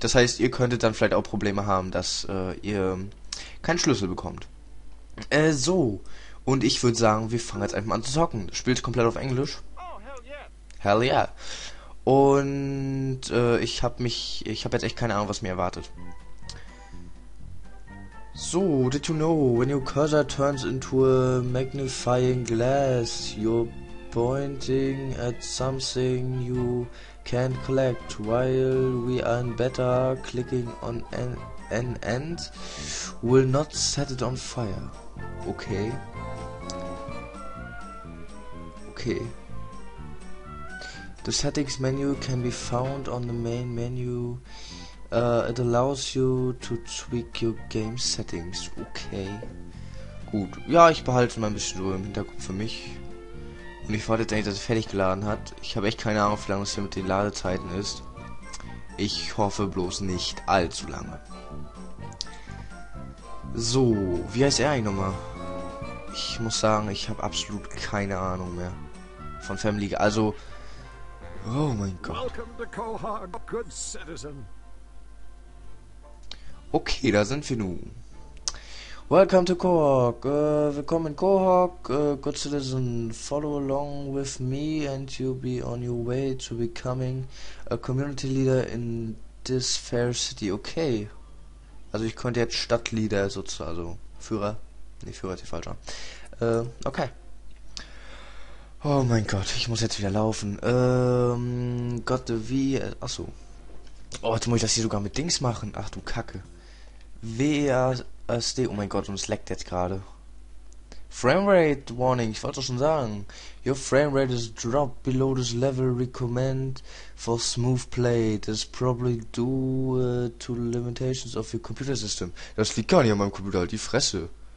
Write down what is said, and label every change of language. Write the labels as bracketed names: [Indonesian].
[German] Das heißt, ihr könntet dann vielleicht auch Probleme haben, dass ihr keinen Schlüssel bekommt. So, und ich würde sagen, wir fangen jetzt einfach mal an zu zocken. Das Spiel ist komplett auf Englisch. [English] Hell yeah. [German] Und ich hab jetzt echt keine Ahnung, was mir erwartet. [English] So, did you know, when your cursor turns into a magnifying glass, you're pointing at something you can't collect while we are in beta, clicking on an end will not set it on fire. Okay. Okay. The settings menu can be found on the main menu. It allows you to tweak your game settings. [German] Okay. Gut. Ja, ich behalte mal ein bisschen so im Hinterkopf für mich. Und ich warte jetzt eigentlich, dass es fertig geladen hat. Ich habe echt keine Ahnung, wie lange es hier mit den Ladezeiten ist. Ich hoffe bloß nicht allzu lange. So, wie heißt er eigentlich nochmal? Ich muss sagen, ich habe absolut keine Ahnung mehr. Von Family Guy. Also. Oh mein Gott. [English] Welcome to Quahog, good citizen. [German] Okay, da sind wir nun. [English] Welcome to Quahog. [German] Willkommen in Quahog. [English] Good citizen, follow along with me and you'll be on your way to becoming a community leader in this fair city. Okay. [German] Also ich könnte jetzt Stadtleader sozusagen, also Führer. Nee, Führer ist hier falsch. Okay. Oh mein Gott, ich muss jetzt wieder laufen. Gott, wie? Ach so. Oh, jetzt muss ich das hier sogar mit Dings machen. Ach du Kacke. WASD. Oh mein Gott, und es leckt jetzt gerade. [English] Framerate Warning. [German] Ich wollte doch schon sagen. [English] Your framerate is dropped below this level recommend for smooth play. This is probably due to limitations of your computer system. [German] Das liegt gar nicht an meinem Computer, halt die Fresse.